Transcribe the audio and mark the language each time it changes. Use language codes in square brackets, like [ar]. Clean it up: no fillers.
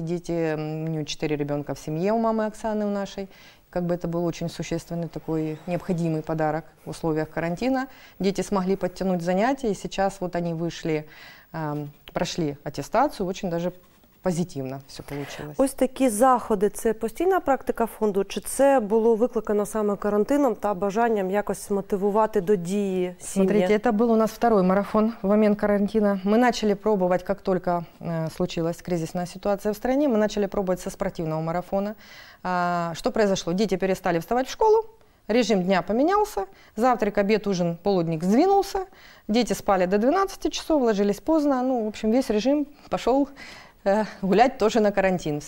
[ru] Дети, у него 4 ребенка в семье у мамы Оксаны, у нашей. Как бы это был очень существенный такой необходимый подарок в условиях карантина. Дети смогли подтянуть занятия, и сейчас вот они вышли, прошли аттестацию, очень даже позитивно все получилось. [uk] Ось такі заходи, це постійна практика фонду, чи це було викликано саме карантином та бажанням якось мотивувати до дії сім'ї? [ru] Смотрите, это был у нас второй марафон в момент карантина. Мы начали пробовать, как только случилась кризисная ситуация в стране, мы начали пробовать со спортивного марафона. Что произошло? Дети перестали вставать в школу, режим дня поменялся, завтрак, обед, ужин, полудник сдвинулся, дети спали до 12 часов, ложились поздно, ну, в общем, весь режим пошел гулять тоже на карантин.